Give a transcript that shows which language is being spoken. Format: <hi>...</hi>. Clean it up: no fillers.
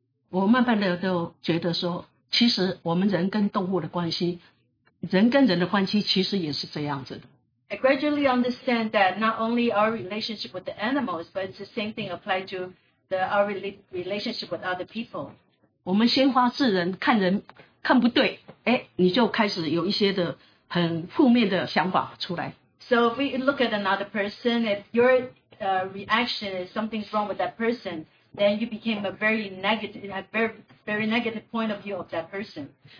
<en>I gradually understand that not only our relationship with the animals, but it's the same thing applied to our relationship with other people.</en> <zh>我们先发制人，看人看不对，你就开始有一些的很负面的想法出来。</zh> <en>So if we look at another person, if your reaction is something's wrong with that person, then you became a very negative, very negative point of view of that person.</en>